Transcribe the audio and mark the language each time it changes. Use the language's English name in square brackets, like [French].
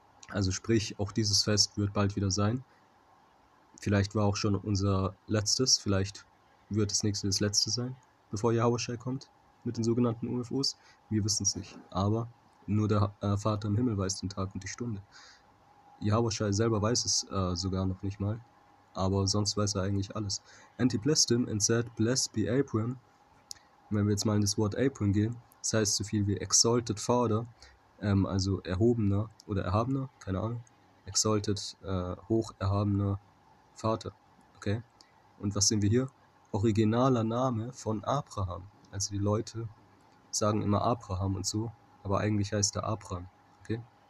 [German] Also sprich, auch dieses Fest wird bald wieder sein. Vielleicht war auch schon unser letztes, vielleicht wird das nächste das letzte sein, bevor Yahusha kommt mit den sogenannten UFOs. Wir wissen es nicht, aber nur der Vater im Himmel weiß den Tag und die Stunde. Yahusha selber weiß es sogar noch nicht mal, aber sonst weiß er eigentlich alles. [English] And he blessed him and said, blessed be Abram. [German] Wenn wir jetzt mal in das Wort Abram gehen, das heißt so viel wie [English] exalted father, [German] also erhobener oder erhabener, keine Ahnung, exalted, hoch erhabener Vater, okay? Und was sehen wir hier? Originaler Name von Abraham. Also die Leute sagen immer Abraham und so, aber eigentlich heißt er Abram, okay?